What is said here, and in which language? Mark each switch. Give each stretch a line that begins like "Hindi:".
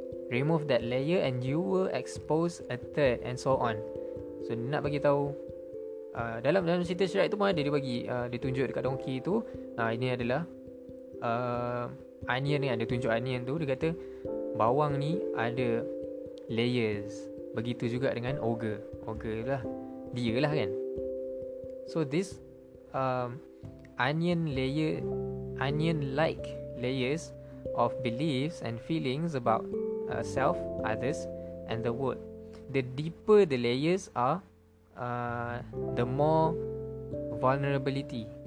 English: Remove that layer and you will expose a third and so on.
Malay: So nak bagi tahu, dalam cerita Shrek tu pun ada, dia bagi, dia tunjuk dekat donkey tu, ini adalah onion, kan. Dia tunjuk onion tu, dia kata bawang ni ada layers. Begitu juga dengan ogre. Ogre lah, dia lah, kan.
English: So this onion-like layers of beliefs and feelings about self, others, and the world. The deeper the layers are, the more vulnerability.